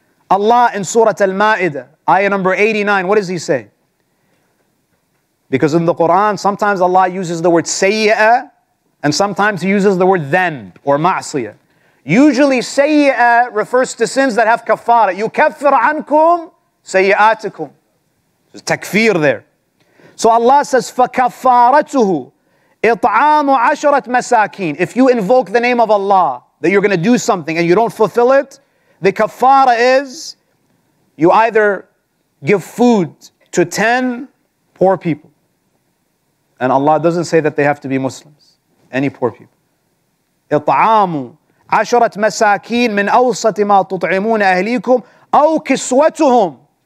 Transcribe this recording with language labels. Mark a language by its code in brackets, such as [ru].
[en] Allah in Surah Al-Ma'idah, ayah number 89, what does he say? Because in the Quran, sometimes Allah uses the word sayya, and sometimes he uses the word dhanb or ma'asiyah. Usually sayya refers to sins that have kafara. [ar] Yukaffir ankum sayyatikum. [en] There's takfir there. So Allah says, [ar] فَكَفَّارَتُهُ إِطْعَامُ عَشَرَةْ مَسَاكِينَ. [en] If you invoke the name of Allah, that you're going to do something and you don't fulfill it, the kafara is you either give food to 10 poor people. And Allah doesn't say that they have to be Muslims. Any poor people. [ar] إِطْعَامُ عَشَرَةْ مَسَاكِينَ مِنْ أَوْسَطِ مَا تُطْعِمُونَ أَهْلِيكُمْ أَوْ كِسْوَتُهُمْ.